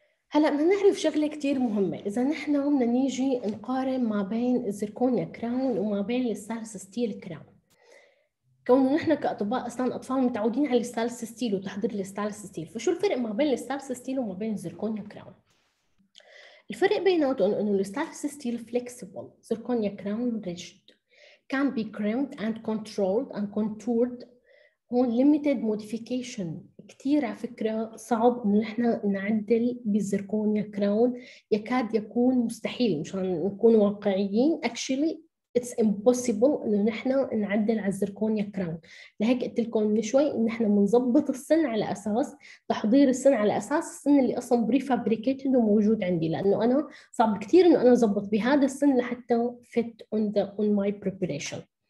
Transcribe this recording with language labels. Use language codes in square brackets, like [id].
[ar] هلا بدنا نعرف شغله كثير مهمه، اذا نحن بدنا نيجي نقارن ما بين الزيركونيا كراون وما بين الستانلس ستيل كراون، كونه نحن كاطباء اصلا اطفال متعودين على الستانلس ستيل وتحضير الستانلس ستيل، فشو الفرق ما بين الستانلس ستيل وما بين الزيركونيا كراون؟ الفرق بيناتهم انه الستانلس ستيل فليكسيبل، زيركونيا كراون ريجيد. [en] Can be crimped and controlled and contoured. هون limited modification. [ar] كتير على فكرة صعب إنه إحنا نعدل بالزركونيا كراون، يكاد يكون مستحيل مشان نكون واقعيين. Actually [en] it's impossible [ar] انه نحن نعدل على الزركونيا كراون. لهيك قلت لكم من شوي ان نحن بنظبط السن على اساس تحضير السن، على اساس السن اللي اصلا بري فابريكيتد وموجود عندي، لانه انا صعب كثير انه انا اظبط بهذا السن لحتى [en] Fit on the on my preparation.